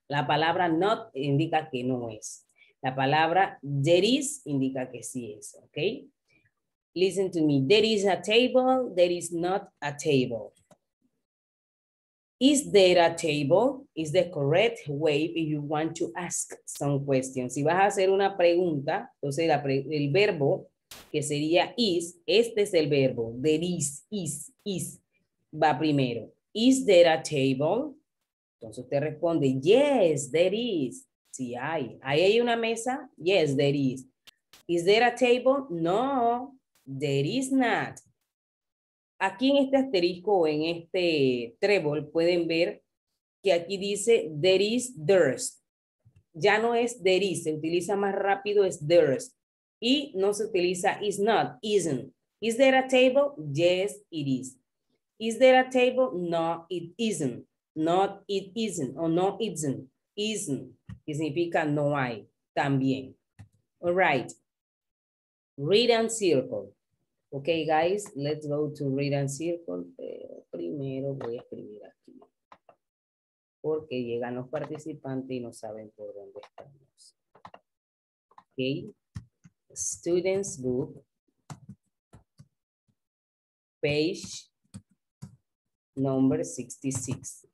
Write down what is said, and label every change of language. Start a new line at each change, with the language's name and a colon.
Spanish: La palabra not indica que no es. La palabra there is indica que sí es, okay?
English: Listen to me. There is a table, there is not a table. Is there a table? Is the correct way if you want to ask some questions.
Spanish: Si vas a hacer una pregunta, entonces el verbo que sería is, este es el verbo.
English: There is,
Spanish: va primero.
English: Is there a table?
Spanish: Entonces usted responde,
English: yes, there is.
Spanish: Sí, hay. ¿Ahí hay una mesa?
English: Yes, there is. Is there a table? No, there is not.
Spanish: Aquí en este asterisco o en este trébol pueden ver que aquí dice there is, there's. Ya no es there is, se utiliza más rápido, es there's. Y no se utiliza
English: is not, isn't. Is there a table? Yes, it is. Is there a table? No, it isn't. Not, it isn't. O no, it isn't. Isn't,
Spanish: que significa no hay, también.
English: All right. Read and circle. Okay, guys, let's go to read and circle.
Spanish: Pero primero voy a escribir aquí. Porque llegan los participantes y no saben por dónde estamos.
English: Okay. Students book. Page. Number 66.